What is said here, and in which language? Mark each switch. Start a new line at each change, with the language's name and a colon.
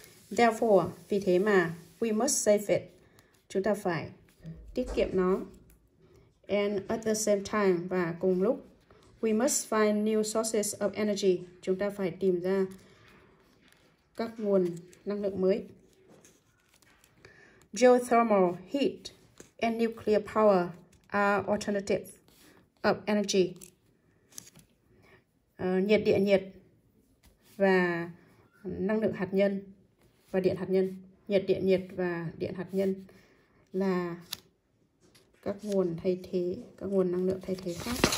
English: Therefore,
Vietnamese: vì thế mà
English: we must save it.
Vietnamese: Chúng ta phải tiết kiệm nó.
English: And at the same time,
Vietnamese: và cùng lúc,
English: we must find new sources of energy.
Vietnamese: Chúng ta phải tìm ra các nguồn năng lượng mới.
English: Geothermal heat and nuclear power are alternatives of energy.
Vietnamese: Nhiệt địa nhiệt và năng lượng hạt nhân và điện hạt nhân. Nhiệt địa nhiệt và điện hạt nhân là các nguồn thay thế, các nguồn năng lượng thay thế khác.